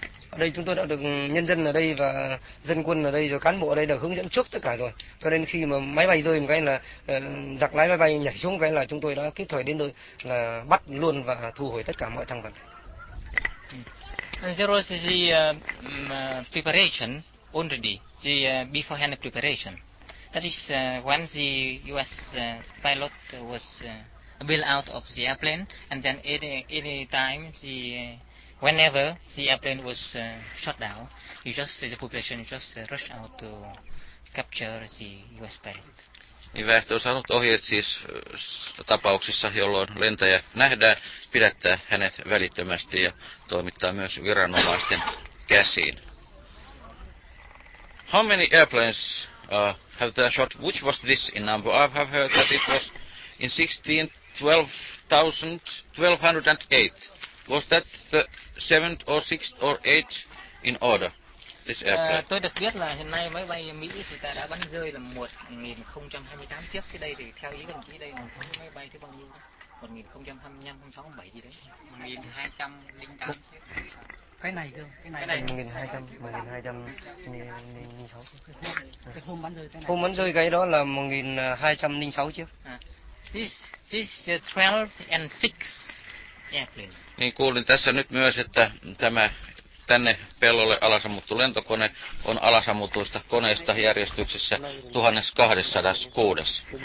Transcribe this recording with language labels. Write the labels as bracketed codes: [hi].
[vi] Ở đây chúng tôi đã được nhân dân ở đây và dân quân ở đây rồi cán bộ ở đây được hướng dẫn trước tất cả rồi. Cho nên khi mà máy bay rơi một cái là giặc lái máy bay nhảy xuống cái là chúng tôi đã kịp thời đến nơi là bắt luôn và thu hồi tất cả mọi thằng vật. [en] There was the preparation already, the beforehand preparation. That is when the US pilot was bailed out of the airplane and then any time the whenever the airplane was shot down, you just the population just rushed out to capture the US pilot. [fi] Niin väestö on saanut ohjeet siis tapauksissa, jolloin lentäjä nähdään, pidättää hänet välittömästi ja toimittaa myös viranomaisten käsiin. [en] How many airplanes have they shot? Which was this in number? I have heard that it was in 1208. Was that the 7th or 6th or 8th in order, this airplane? [vi] Tôi được biết là hiện nay máy bay Mỹ thì ta đã bắn rơi là 1028 chiếc. Cái đây thì theo ý đồng chí đây là số máy bay thứ bao nhiêu? 1025, 67 gì đấy. 1208 chiếc. Cái này. 1206. Hôm bắn rơi cái này. Hôm bắn rơi cái đó là 1206 chiếc. [en] This is 12 and 6. Airplane. [fi] Niin kuulin tässä nyt myös, että tämä tänne pellolle alasammuttu lentokone on alasammutuista koneista järjestyksessä 1206.